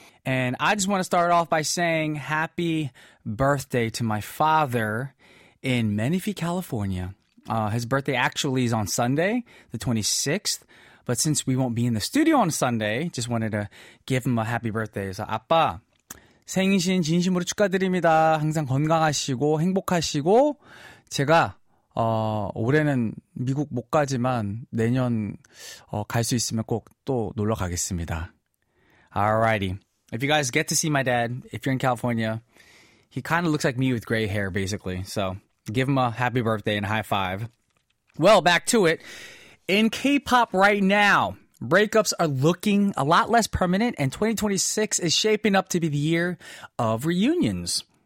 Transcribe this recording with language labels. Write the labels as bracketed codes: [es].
[en] And I just want to start off by saying happy birthday to my father in Menifee, California. His birthday actually is on Sunday, the 26th. But since we won't be in the studio on Sunday, just wanted to give him a happy birthday. [ko] So, 아빠, 생신 진심으로 축하드립니다. 항상 건강하시고 행복하시고 제가 올해는 미국 못 가지만 내년 갈 수 있으면 꼭 또 놀러 가겠습니다. [en] Alrighty. If you guys get to see my dad, if you're in California, he kind of looks like me with gray hair, basically. So give him a happy birthday and a high five. Well, back to it. In K-pop right now, breakups are looking a lot less permanent, and 2026 is shaping up to be the year of reunions.